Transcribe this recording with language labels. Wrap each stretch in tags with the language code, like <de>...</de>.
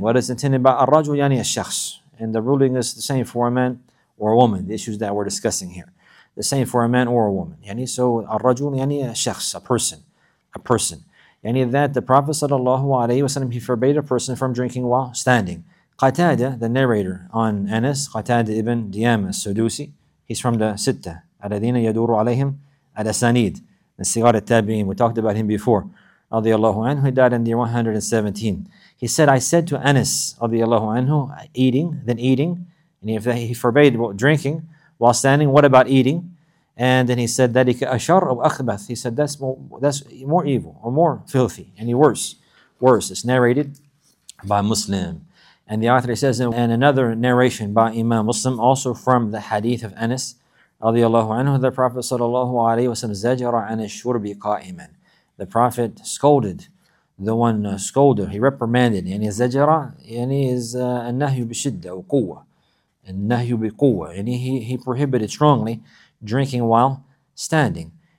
<en>What is intended by</en> <ar>الرجل يعني الشخص.</ar> <en>And the ruling is the same for a man or a woman, the issues that we're discussing here. The same for a man or a woman.</en> <ar>يعني so الرجل يعني الشخص,</ar> <en>a person. يعني that the Prophet sallallahu alayhi wasallam, he forbade a person from drinking while standing. Qatada, the narrator on Anas, Qatada ibn Diyama al-Sudusi, he's from the Sitta,</en> <ar>الذين يدور عليهم الأسانيد, من صغار التابعين.</ar> <en>We talked about him before.</en> <ar>رضي الله عنه,</ar> <en>he died in the 117. He said, I said to Anas,</en> <ar>رضي الله عنه,</ar> <en>eating, and if he forbade drinking while standing, what about eating? And then he said,</en> <ar>ذَلِكَ أَشَرُ أَخْبَثُ.</ar> <en>He said, that's more evil, or more filthy, any worse. It's narrated by Muslim. And the author says, and another narration by Imam Muslim, also from the hadith of Anas,</en> <ar>رضي الله عنه,</ar> <en>the Prophet</en> <ar>صلى الله عليه وسلم زجر عن الشرب قائما.</ar> <en>The Prophet scolded the one scolder. He reprimanded.</en> <ar>يعني زجر يعني is النهي بشدة أو قوة. النهي بقوة.</ar> <en>يعني he prohibited strongly drinking while standing.</en>